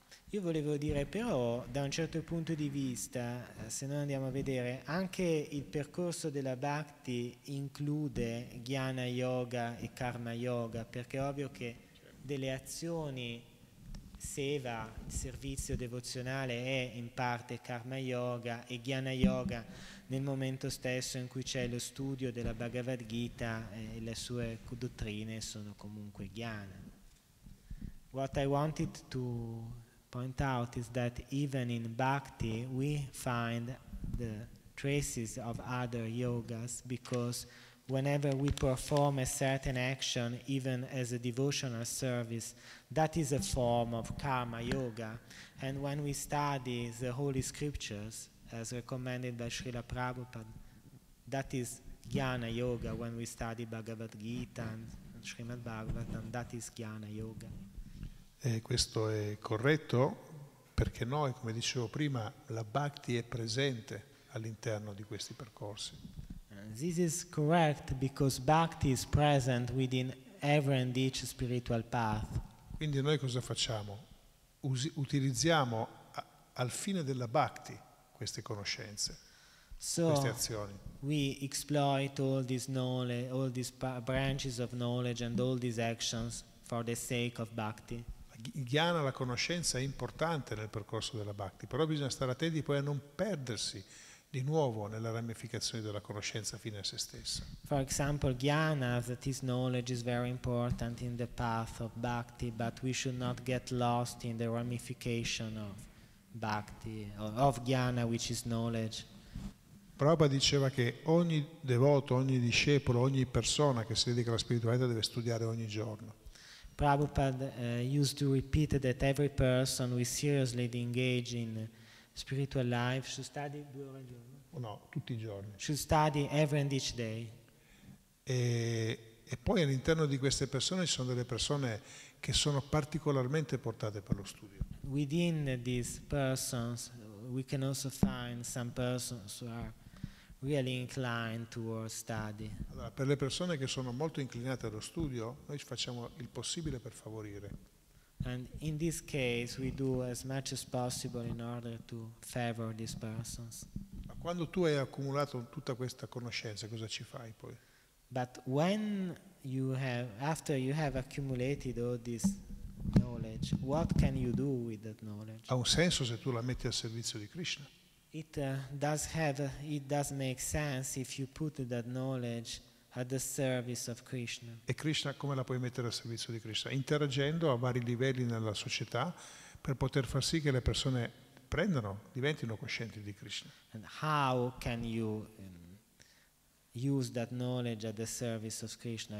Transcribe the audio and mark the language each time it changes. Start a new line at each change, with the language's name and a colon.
Italian: Io volevo dire, però, da un certo punto di vista, se noi andiamo a vedere, anche il percorso della bhakti include jnana yoga e karma yoga, perché è ovvio che delle azioni, seva, servizio devozionale, è in parte karma yoga e jnana yoga nel momento stesso in cui c'è lo studio della Bhagavad Gita e le sue dottrine sono comunque jnana.
English: What I wanted to point out is that even in bhakti we find the traces of other yogas, because whenever we perform a certain action, even as a devotional service, that is a form of karma yoga. And when we study the holy scriptures, as recommended by Srila Prabhupada, that is jnana yoga. When we study Bhagavad Gita and Srimad Bhagavatam, that is jnana yoga.
Italian: E questo è corretto, perché noi, come dicevo prima, la bhakti è presente all'interno di questi percorsi.
English: This is correct because bhakti is present within every and each spiritual path.
Italian: Quindi noi cosa facciamo? Utilizziamo al fine della bhakti queste conoscenze,
English: so
Italian: queste azioni.
English: We exploit all this knowledge, all these branches of knowledge and all these actions for the sake of bhakti.
Italian: Jnana, la conoscenza, è importante nel percorso della bhakti, però bisogna stare attenti poi a non perdersi di nuovo nella ramificazione della conoscenza fine a se stessa.
English: For example, jnana, that is knowledge, is very important in the path of bhakti, but we should not get lost in the ramification of bhakti, of jnana, which is knowledge.
Italian: Prabhupada diceva che ogni devoto, ogni discepolo, ogni persona che si dedica alla spiritualità deve studiare ogni giorno.
English: Prabhupada used to repeat that every person we seriously engage in spiritual life should study
Italian: 2 ore al giorno. No, tutti i giorni.
English: Should study every and each day.
Italian: E poi all'interno di queste persone ci sono delle persone che sono particolarmente portate per lo studio.
English: Within these persons we can also find some persons who are really inclined towards study.
Italian: Allora, per le persone che sono molto inclinate allo studio, noi facciamo il possibile per favorire.
English: And in this case we do as much as possible in order to favor these persons.
Italian: Ma quando tu hai accumulato tutta questa conoscenza, cosa ci fai poi?
English: But when you have, after you have accumulated all this knowledge, what can you do with that knowledge?
Italian: Ha un senso se tu la metti al servizio di Krishna.
English: It does make sense if you put that knowledge at the service of Krishna.
Italian: E Krishna come la puoi mettere al servizio di Krishna? Interagendo a vari livelli nella società per poter far sì che le persone prendano, diventino coscienti di Krishna.
English: And how can you use that knowledge at the service of Krishna?